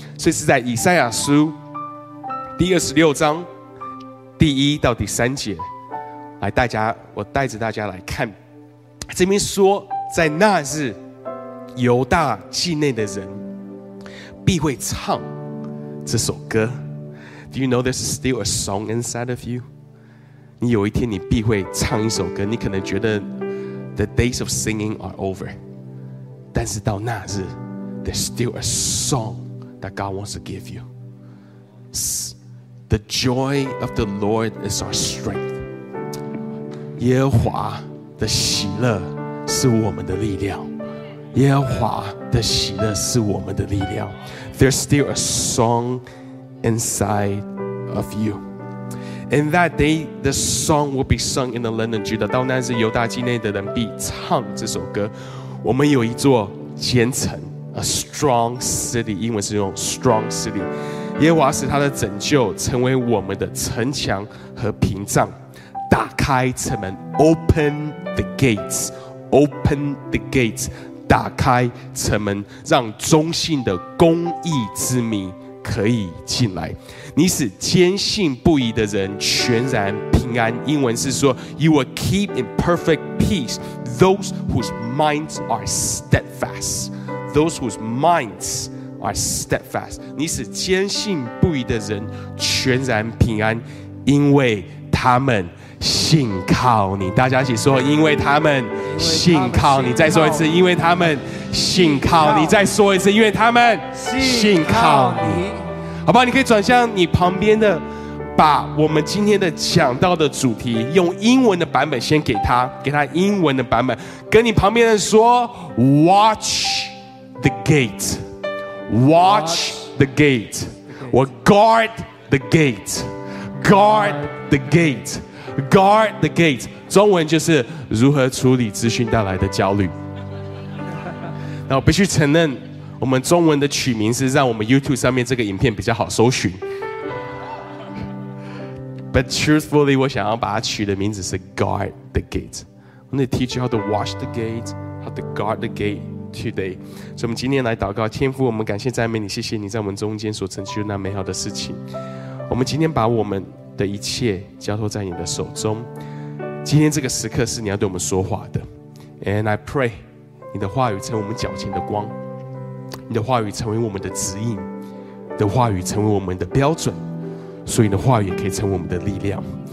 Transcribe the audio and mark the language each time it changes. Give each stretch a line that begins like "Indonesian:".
Chinese: 所以是在以赛亚书第26章第一到第三节，来大家，我带着大家来看。这边说，在那日，犹大境内的人必会唱这首歌。
English: Do you know there's still a song inside of you?
Chinese: 你有一天你必会唱一首歌，你可能觉得
English: the days of singing are over，
Chinese: 但是到那日 ，
English: there's still a song。That God wants to give you. The joy of the Lord is our strength.
Chinese: 耶和华的喜乐是我们的力量。耶和华的喜乐是我们的力量。
English: There's still a song inside of you. In that day, the song will be sung in the land of Judah.
Chinese: 到那日，犹大境内的人必唱这首歌。我们有一座坚城。
English: A strong city,
Chinese: 英文是用 strong city. 耶和华使他的拯救成为我们的城墙和屏障。打开城门
English: ，open the gates, open the gates.
Chinese: 打开城门，让忠信的公义之民可以进来。你使坚信不疑的人全然平安。英文是说
English: ，You will keep in perfect peace those whose minds are steadfast. Those whose minds are steadfast.
Chinese: 你使坚信不疑的人全然平安，因为他们信靠你。大家一起说，因为他们信靠你。再说一次，因为他们信靠你。再说一次，因为他们信靠你。好吧，你可以转向你旁边的，把我们今天的讲到的主题用英文的版本先给他，给他英文的版本，跟你旁边的说 ，Watch。
English: The gate, watch the gate, or guard the gate, guard the gate, guard the gate.
Chinese: 中文就是如何处理资讯带来的焦虑。那我必须承认，我们中文的取名是让我们 YouTube 上面这个影片比较好搜寻。
English: But truthfully,
Chinese: 我想要把它取的名字是
English: guard the gate. I'm going to teach you how to watch the gate, how to guard the gate.
Chinese: Today， 所以我们今天来祷告，天父，我们感谢赞美你，谢谢你在我们中间所成就的那美好的事情。我们今天把我们的一切交托在你的手中。今天这个时刻是你要对我们说话的 ，
English: And I pray，
Chinese: 你的话语成为我们脚前的光，你的话语成为我们的指引，你的话语成为我们的标准，所以你的话语也可以成为我们的力量。